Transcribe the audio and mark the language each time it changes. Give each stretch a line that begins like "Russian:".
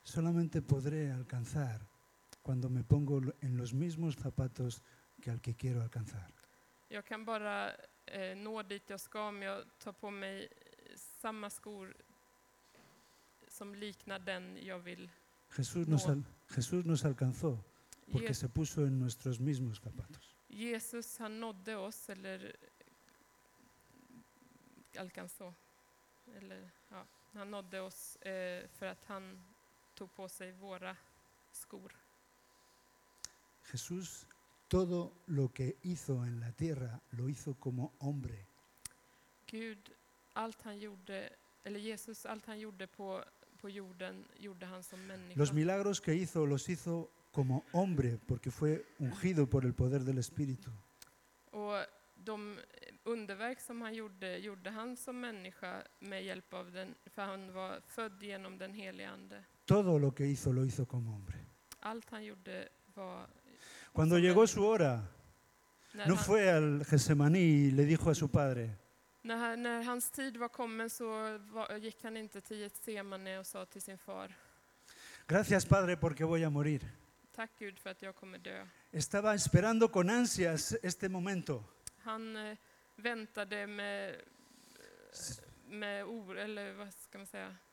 Spanish: Solamente podré alcanzar cuando me pongo en los mismos zapatos que al que quiero alcanzar.
Swedish: Jag kan bara nå dit jag ska om jag tar på mig samma skor som liknar den jag vill.
Spanish: Jesús nos alcanzó porque se puso en nuestros mismos zapatos.
Swedish: Jesus han nådde oss eller alcanzó eller ja, han nådde oss för att han tog på sig våra skor.
Spanish: Jesús todo lo que hizo en la tierra lo hizo como hombre.
Swedish: Gud, allt han gjorde, eller Jesus, allt han gjorde på jorden, gjorde han som människa.
Spanish: Los milagros que hizo los hizo como hombre porque fue ungido por el poder del Espíritu.
Swedish: Och de underverk som han gjorde han som människa med hjälp av den, för han var född genom den helige ande.
Spanish: Todo lo que hizo lo hizo como hombre.
Swedish: Allt han gjorde var.
Spanish: Cuando llegó su hora, no fue al Getsemaní y le dijo a su padre.
Swedish: När hans tid var kommen så gick han inte till Getsemaní och sa till sin far.
Spanish: Gracias, padre, porque voy a morir.
Swedish: Tack Gud för att jag kommer dö.
Spanish: Estaba esperando con ansias este momento.
Swedish: Han väntade med oro, eller vad ska man säga?